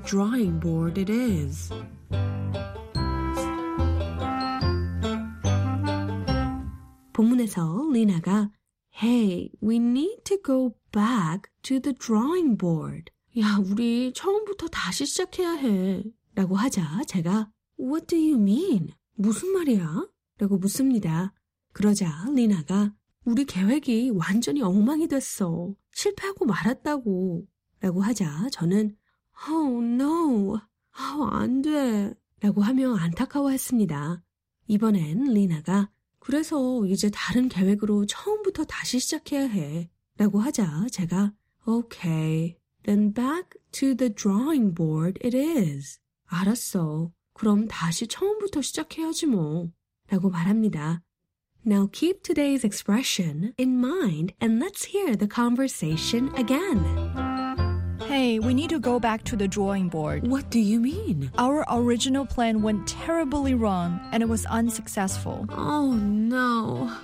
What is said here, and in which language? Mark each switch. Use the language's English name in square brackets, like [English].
[English] Before we find out what today's expression means, let's listen to a conversation I had with Lena. Listen carefully. Hey, we need to go back to the drawing board. What do you mean? Our original plan went terribly wrong and it was unsuccessful. Oh no. So we have to start all over again with a different plan. Okay, then back to the drawing board it is. [Korean] 야, 우리 처음부터 다시 시작해야 해. 라고 하자 제가 [English] What do you mean? [Korean] 무슨 말이야? 라고 묻습니다. 그러자 리나가 우리 계획이 완전히 엉망이 됐어. 실패하고 말았다고. 라고 하자 저는 [English] Oh no, oh, [Korean] 안 돼. 라고 하며 안타까워했습니다. 이번엔 리나가 그래서 이제 다른 계획으로 처음부터 다시 시작해야 해. 라고 하자 제가 오케이 [English] Then back to the drawing board it is. [Korean] 알았어. 그럼 다시 처음부터 시작해야지 뭐. 라고 말합니다. [English] Now keep today's expression in mind and let's hear the conversation again. Hey, we need to go back to the drawing board. What do you mean? Our original plan went terribly wrong and it was unsuccessful. Oh, no.